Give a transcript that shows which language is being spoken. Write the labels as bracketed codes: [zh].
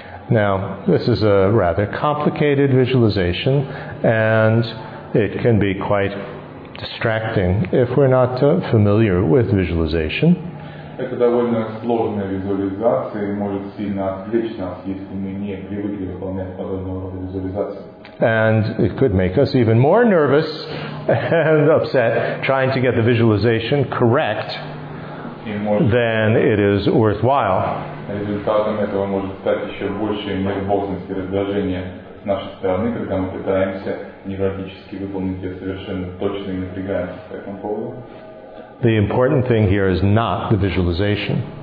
[en] Now, this is a rather complicated visualization, and it can be quite distracting if we're not familiar with visualization. [ru] Это довольно сложная визуализация и может сильно отвлечь нас, если мы не привыкли выполнять подобного рода визуализации. [en] And it could make us even more nervous and upset trying to get the visualization correct than it is worthwhile. [ru] Результатом этого может стать еще большая нервозность и раздражение с нашей стороны, когда мы пытаемся невротически выполнить это совершенно точно и напрягаемся по этому поводу. [en] The important thing here is not the visualization.